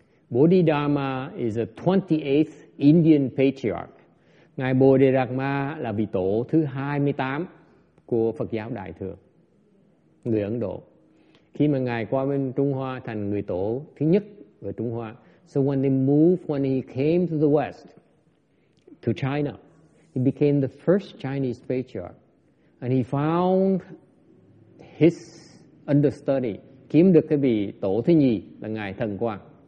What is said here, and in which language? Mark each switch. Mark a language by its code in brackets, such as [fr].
[en] Bodhidharma is the 28th Indian patriarch. [vi] Ngài Bồ Đề Đạt Ma là vị tổ thứ 28 của Phật giáo Đại thừa, người Ấn Độ. Khi mà ngài qua bên Trung Hoa thành người tổ thứ nhất ở Trung Hoa. [en] So when they moved, when he came to the West, to China, he became the first Chinese patriarch. And he found his understudy, [vi] kiếm được cái vị tổ thứ nhì là ngài Thần Quang.